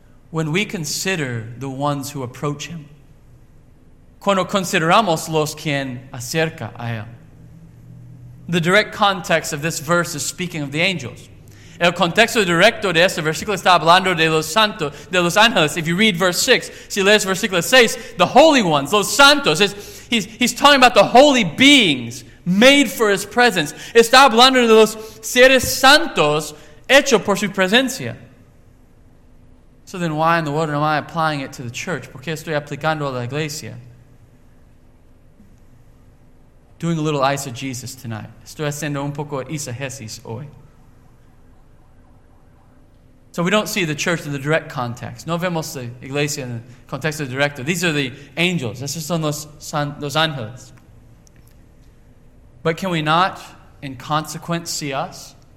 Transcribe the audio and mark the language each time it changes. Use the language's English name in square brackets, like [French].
[English] When we consider the ones who approach him. [Spanish] Cuando consideramos los quien acerca a él. [English] The direct context of this verse is speaking of the angels. [Spanish] El contexto directo de este versículo está hablando de los santos, de los ángeles. [English] If you read verse 6, [Spanish] si lees versículo 6, [English] the holy ones, [Spanish] los santos, [English] he's talking about the holy beings made for his presence. [Spanish] Está hablando de los seres santos hechos por su presencia. [English] So then why in the world am I applying it to the church? [Spanish] ¿Por qué estoy aplicando a la iglesia? [English] Doing a little eisegesis tonight. [Spanish] Estoy haciendo un poco eisegesis hoy. [English] So we don't see the church in the direct context. [Spanish] No vemos la iglesia en el contexto directo. [English] These are the angels. [Spanish] Estos son los ángeles. [English] But can we not, in consequence, see us?